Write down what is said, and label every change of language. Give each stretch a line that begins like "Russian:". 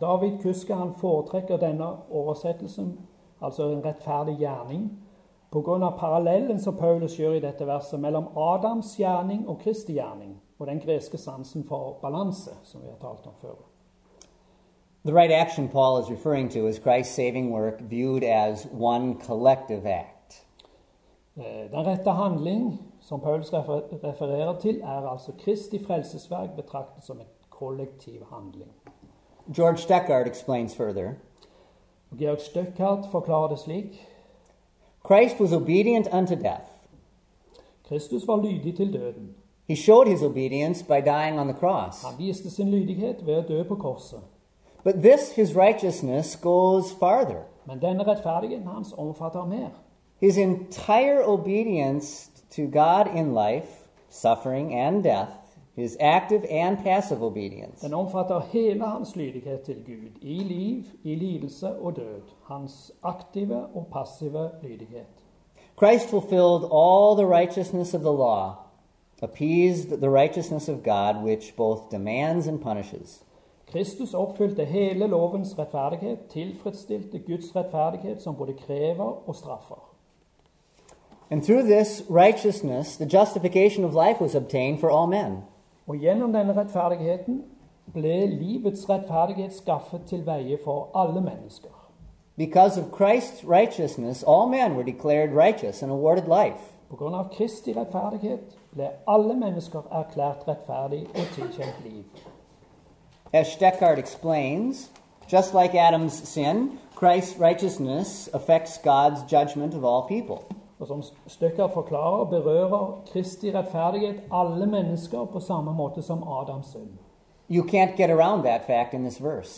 Norwegian: David Kuske, han foretrekker denne oversettelsen, altså en rettferdig gjerning, på grunn av parallellen som Paulus gjør i dette verset mellom Adams gjerning og Kristi gjerning, og den greske sansen for balanse, som vi har talt om før.
English: The right action Paul is referring to is Christ's saving work viewed as one collective act.
Norwegian: Den rette handling som Paulus refererer til er altså Kristi frelsesverk betraktet som en kollektiv handling.
English: George Stuckart explains further.
Norwegian: Georg Stuckart forklarer det slik.
English: Christ was obedient unto death.
Norwegian: Kristus var lydig til døden.
English: He showed his obedience by dying on the cross.
Norwegian: Han viste sin lydighet ved å dø på korset.
English: But this, his righteousness, goes farther.
Norwegian: Men denne rettferdigheten hans omfatter mer.
English: His entire obedience to God in life, suffering and death, his active and passive obedience.
Norwegian: Den omfatter hele hans lydighet til Gud, i liv, i lidelse og død, hans aktive og passive lydighet.
English: Christ fulfilled all the righteousness of the law, appeased the righteousness of God, which both demands and punishes.
Norwegian: Kristus oppfylte hele lovens rettferdighet, tilfredsstilte Guds rettferdighet som både krever og straffer.
English: And through this righteousness, the justification of life was obtained for all men.
Norwegian: Og gjennom denne rettferdigheten ble livets rettferdighet skaffet til veie for alle mennesker.
English: Because of Christ's righteousness, all men were declared righteous and awarded life.
Norwegian: På grunn av Kristi rettferdighet ble alle mennesker erklært rettferdig og tilkjent liv.
English: As Stekhard explains, just like Adam's sin, Christ's righteousness affects God's judgment of all people.
Norwegian: Og som Stekhard forklarer, berører Kristi rettferdighet alle mennesker på samme måte som Adams synd.
English: You can't get around that fact in this verse.